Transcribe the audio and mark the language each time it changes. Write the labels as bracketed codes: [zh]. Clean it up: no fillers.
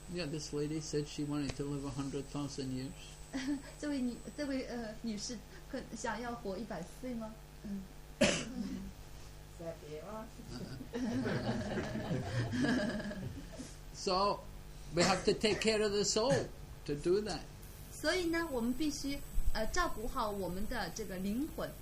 [en] Yeah, this lady said she wanted to live 100,000 years. [zh] 这位女士，想要活一百岁吗？嗯。再别啊。 [en] So, we have to take care of the soul to do that. [zh] 所以呢，我们必须照顾好我们的这个灵魂。